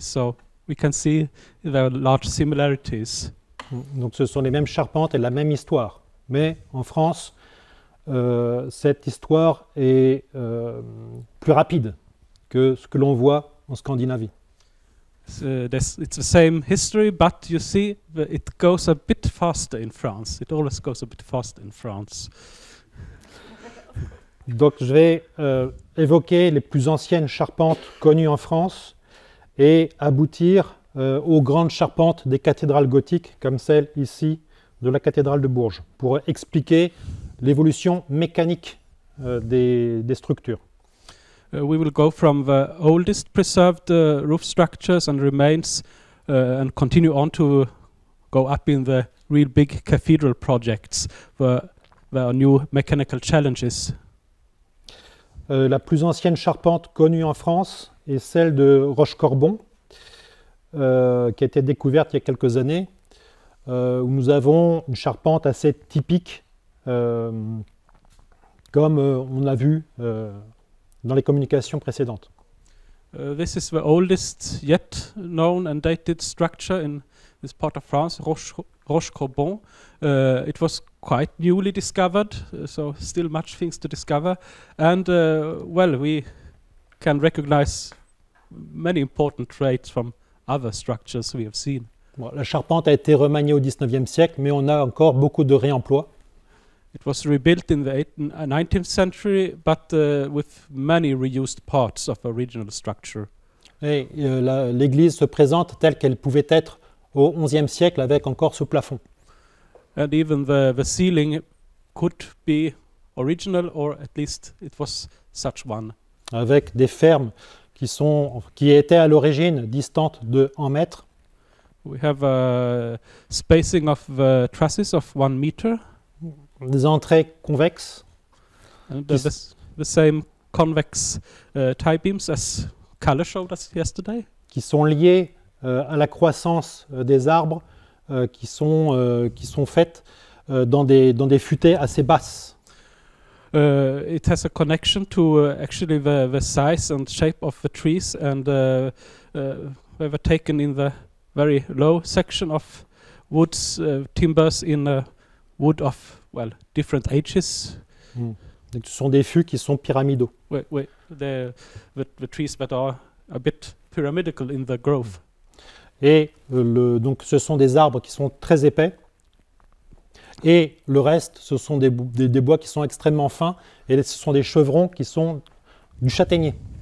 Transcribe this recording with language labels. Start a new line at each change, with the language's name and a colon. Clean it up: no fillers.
English: So we can see there are large similarities.
French: Donc ce sont les mêmes charpentes et la même histoire. Mais en France, cette histoire est plus rapide que ce que l'on voit en Scandinavie.
English: It's the same history, but you see, it goes a bit faster in France. It always goes a bit faster in France.
French: Donc je vais évoquer les plus anciennes charpentes connues en France et aboutir aux grandes charpentes des cathédrales gothiques comme celle ici de la cathédrale de Bourges pour expliquer l'évolution mécanique des structures.
English: We will go from the oldest preserved roof structures and remains and continue on to go up in the real big cathedral projects where there are new mechanical challenges.
French: La plus ancienne charpente connue en France est celle de Rochecorbon, qui a été découverte il y a quelques années, où nous avons une charpente assez typique, comme on a vu dans les communications précédentes.
English: This is the oldest yet known and dated structure in this part of France, Rochecorbon. It was quite newly discovered, so still much things to discover. And well, we can recognize many important traits from other structures we have seen.
French: Bon, la charpente a été remaniée au 19e siècle, mais on a encore beaucoup de réemploi.
English: It was rebuilt in the 19th century, but with many reused parts of the original structure.
French: Et l'église se présente telle qu'elle pouvait être au 11e siècle avec encore ce plafond.
English: And even the ceiling could be original, or at least it was such one.
French: Avec des fermes qui étaient à l'origine distantes de 1 mètre.
English: We have a spacing of the trusses of 1 meter.
French: Des entrées convexes.
English: And the same convex tie beams, as Kalle showed us yesterday.
French: Qui sont liés à la croissance des arbres qui sont faites dans des futaies assez basses.
English: It has a connection to actually the size and shape of the trees, and they were taken in the very low section of woods, timbers in wood of, well, different ages.
French: Mm. Ce sont des fûts qui sont pyramidaux.
English: Oui, the trees that are a bit pyramidal in the growth.
French: Et donc ce sont des arbres qui sont très épais. Et le reste, ce sont des bois qui sont extrêmement fins, et ce sont des chevrons qui sont du châtaignier.